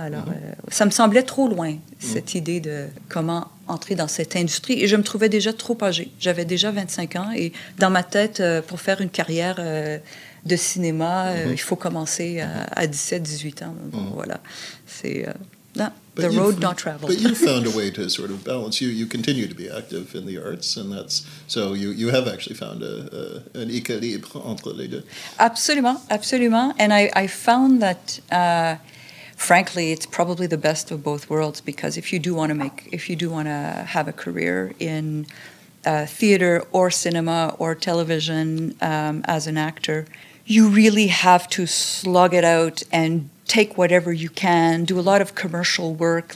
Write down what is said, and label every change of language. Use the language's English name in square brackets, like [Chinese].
[French] Alors, ça me semblait trop loin, cette idée de comment entrer dans cette industrie. Et je me trouvais déjà trop âgée. J'avais déjà 25 ans et dans ma tête, pour faire une carrière... de cinéma, il faut commencer à 17-18 ans. Voilà. C'est... [English] the road not traveled. But you found a way to sort of balance. You continue to be active in the arts, and that's... So you have actually found an [French] équilibre entre les deux. Absolument, absolument. [English] And I found that, frankly, it's probably the best of both worlds, because if you do want to have a career in theater or cinema or television as an actor... You really have to slog it out and take whatever you can, do a lot of commercial work.